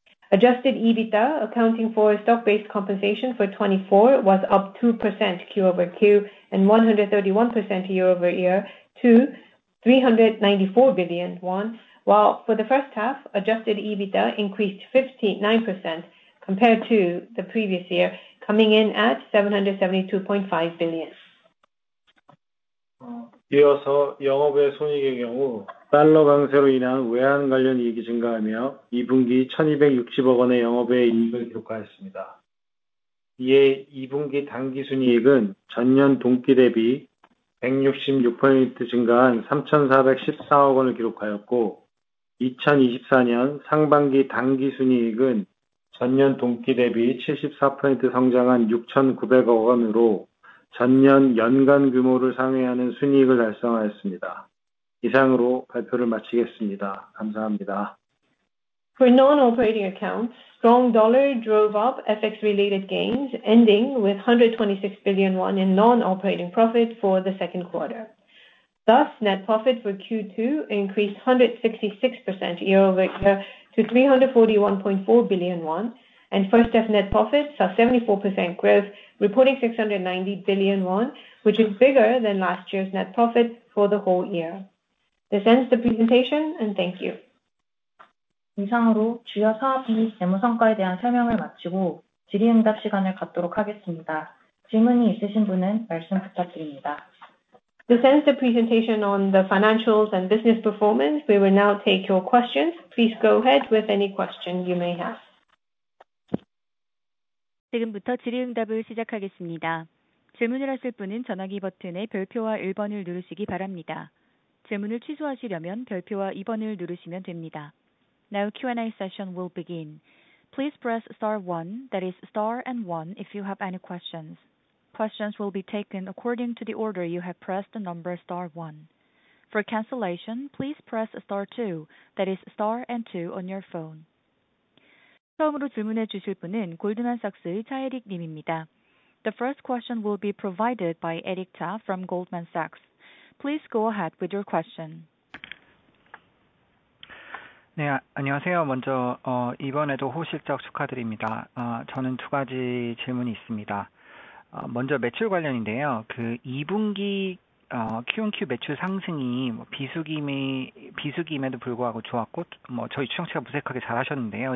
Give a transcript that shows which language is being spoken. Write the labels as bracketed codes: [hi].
[en] Adjusted EBITDA, accounting for stock-based compensation for 24, was up 2% Q over Q and 131% year over year to 394 billion won, while for the first half, adjusted EBITDA increased 59% compared to the previous year, coming in at 772.5 billion. [ko] 이어서 영업외 손익의 경우 달러 강세로 인한 외환 관련 이익이 증가하며 2분기 1,260억 원의 영업외 이익을 기록하였습니다. 이에 2분기 당기 순이익은 전년 동기 대비 166% 증가한 3,414억 원을 기록하였고, 2024년 상반기 당기 순이익은 전년 동기 대비 74% 성장한 6,900억 원으로 전년 연간 규모를 상회하는 순이익을 달성하였습니다. 이상으로 발표를 마치겠습니다. 감사합니다. [en] For non-operating accounts, strong dollar drove up FX-related gains, ending with 126 billion won in non-operating profit for the second quarter. Thus, net profit for Q2 increased 166% year over year to 341.4 billion won, and first half net profit saw 74% growth, reporting 690 billion won, which is bigger than last year's net profit for the whole year. This ends the presentation, and thank you. [ko] 이상으로 주요 사업 및 재무 성과에 대한 설명을 마치고 질의응답 시간을 갖도록 하겠습니다. 질문이 있으신 분은 말씀 부탁드립니다. [en] This ends the presentation on the financials and business performance. We will now take your questions. Please go ahead with any questions you may have. [ko] 지금부터 질의응답을 시작하겠습니다. 질문을 하실 분은 전화기 버튼의 별표와 1번을 누르시기 바랍니다. 질문을 취소하시려면 별표와 2번을 누르시면 됩니다. [en] Now Q&A session will begin. Please press star one, that is star and one, if you have any questions. Questions will be taken according to the order you have pressed the number star one. For cancellation, please press star two, that is star and two on your phone. [ko] 처음으로 질문해 주실 분은 골드만삭스의 차에릭 님입니다. [en] The first question will be provided by Eric Cha from Goldman Sachs. Please go ahead with your question. [ko] 네, 안녕하세요. 먼저 이번에도 호실적 축하드립니다. 저는 두 가지 질문이 있습니다. 먼저 매출 관련인데요. 2분기 Q&Q 매출 상승이 비수기임에도 불구하고 좋았고, 저희 추정치가 무색하게 잘하셨는데요.